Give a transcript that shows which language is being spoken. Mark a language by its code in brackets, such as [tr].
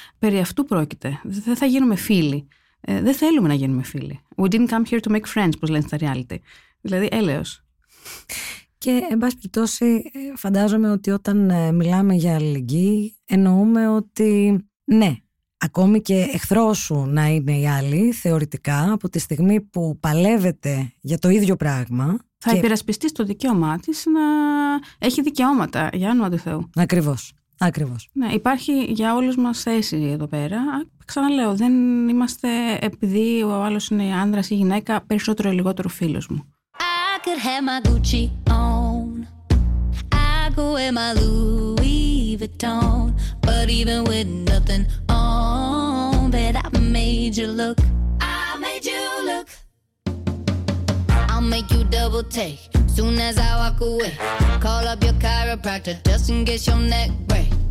[el] Περί αυτού πρόκειται. Δεν θα γίνουμε φίλοι. Δεν θέλουμε να γίνουμε φίλοι. [en] We didn't come here to make friends, [el] πως λένε στα reality. Δηλαδή, έλεος. Και, εν πάση περιπτώσει, φαντάζομαι ότι όταν μιλάμε για αλληλεγγύη, εννοούμε ότι ναι, ακόμη και εχθρός σου να είναι η άλλη, θεωρητικά, από τη στιγμή που παλεύετε για το ίδιο πράγμα. Θα υπερασπιστείς το δικαίωμά της να έχει δικαιώματα, για όνομα του Θεού. Ακριβώς. Ακριβώς. Ναι, υπάρχει για όλους μας θέση εδώ πέρα. Ξαναλέω, δεν είμαστε επειδή ο άλλος είναι άνδρας ή γυναίκα, περισσότερο ή λιγότερο φίλος μου. [en] I could have my Gucci on. I could wear my Louis Vuitton. But even with nothing on, but I made you look. I made you look. I'll make you double take. Soon as I walk away, call up your chiropractor just in case your neck break.